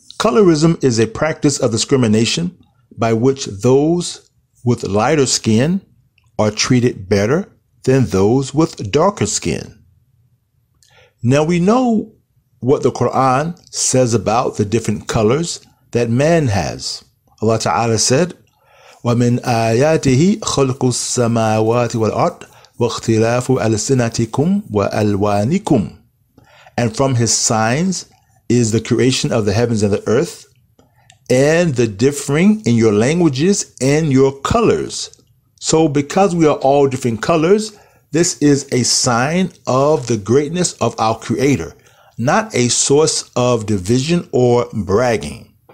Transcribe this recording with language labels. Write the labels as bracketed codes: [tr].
[en] Colorism is a practice of discrimination by which those with lighter skin are treated better than those with darker skin. Now we know what the Quran says about the different colors that man has. Allah Ta'ala said, [ar] وَمِنْ آيَاتِهِ خَلْقُ السَّمَاوَاتِ وَالْأَرْضِ وَاخْتِلَافُ أَلْسِنَتِكُمْ وَأَلْوَانِكُمْ. [en] And from his signs is the creation of the heavens and the earth, and the differing in your languages and your colors. So because we are all different colors, this is a sign of the greatness of our Creator, not a source of division or bragging.